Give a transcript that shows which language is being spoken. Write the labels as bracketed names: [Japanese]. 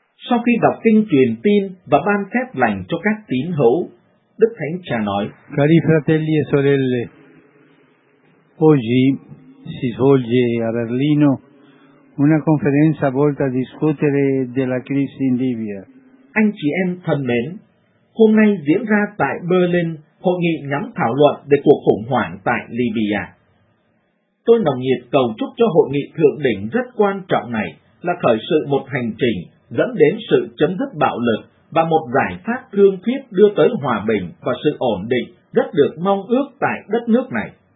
[Vietnamese] Sau khi đọc kinh truyền tin và ban phép lành cho các tín hữu, Đức Thánh Cha nói: [Italian] Cari fratelli e sorelle, oggi si svolge a Berlino una conferenza volta a discutere della crisi in Libia. [Vietnamese] Anh chị em thân mến, hôm nay diễn ra tại Berlin hội nghị nhắm thảo luận về cuộc khủng hoảng tại Libya. Tôi nồng nhiệt cầu chúc cho hội nghị thượng đỉnh rất quan trọng này là khởi sự một hành trình dẫn đến sự chấm dứt bạo lực và một giải pháp thương thuyết đưa tới hòa bình và sự ổn định rất được mong ước tại đất nước này.